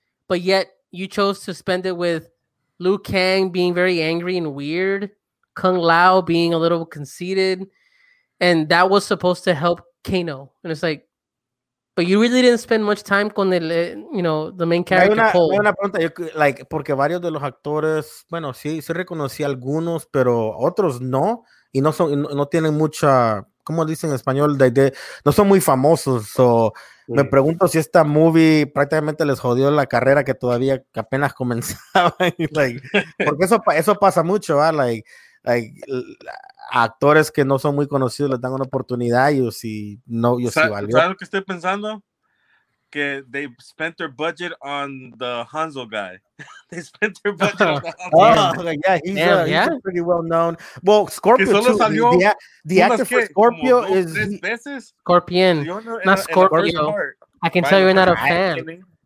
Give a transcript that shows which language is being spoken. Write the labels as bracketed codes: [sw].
[en] But yet you chose to spend it with Liu Kang being very angry and weird, Kung Lao being a little conceited. And that was supposed to help Kano. And it's like, but you really didn't spend much time [es] con el, [en] you know, the main character. [es] Hay una pregunta, yo, like, porque varios de los actores, bueno, sí reconocí algunos, pero otros no, y no son, no tienen mucha, ¿cómo dicen en español? No son muy famosos, so, sí. Me pregunto si esta movie prácticamente les jodió la carrera que todavía que apenas comenzaba, y, like, porque eso pasa mucho, ¿eh? Actores que no son muy conocidos les dan una oportunidad y sí valió. ¿Sabes lo que estoy pensando? [en] Que they spent their budget on the Hanzo guy. They spent their budget on the Hanzo guy. Oh, yeah. Yeah, he's pretty well known. Well, Scorpio, [es] que solo [en] too. [es] Salió [en] the actor for Scorpio is... Scorpion. Not Scorpio. I can tell you're not a fan.